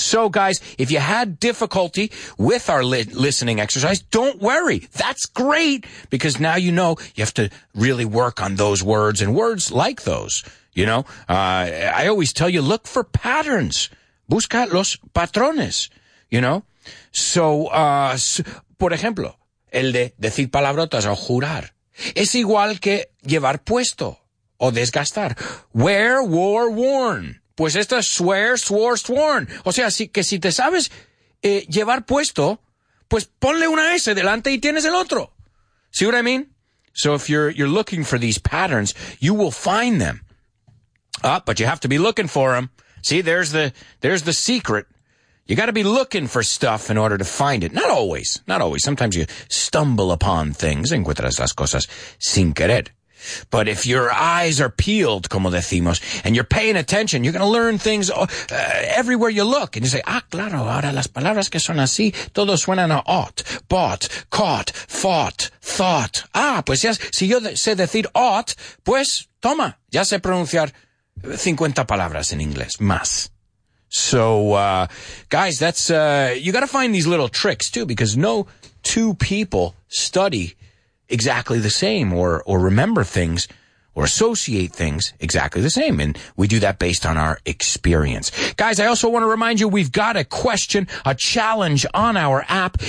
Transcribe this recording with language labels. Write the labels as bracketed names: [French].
[English] So, guys, if you had difficulty with our listening exercise, don't worry. That's great because now you know you have to really work on those words and words like those. You know, I always tell you, look for patterns. [Spanish] Busca los patrones, you know. So, por ejemplo, el de decir palabrotas o jurar es igual que llevar puesto o desgastar. Wear, wore, worn. Pues esto es swear, swore, sworn. O sea, si te sabes llevar puesto, pues ponle una S delante y tienes el otro. [English] See what I mean? So if you're looking for these patterns, you will find them. But you have to be looking for them. See, there's the secret. You got to be looking for stuff in order to find it. Not always. Sometimes you stumble upon things, encuentras las cosas sin querer. But if your eyes are peeled, como decimos, and you're paying attention, you're going to learn things everywhere you look. [Spanish] And you say, ah, claro, ahora las palabras que son así, todos suenan a ought, bought, caught, fought, thought. Ah, pues ya, si yo sé decir ought, pues toma, ya sé pronunciar 50 palabras en inglés, más. [English] So, guys, that's, you gotta find these little tricks too, because no two people study exactly the same or remember things or associate things exactly the same. And we do that based on our experience. Guys, I also want to remind you, we've got a question, a challenge on our app.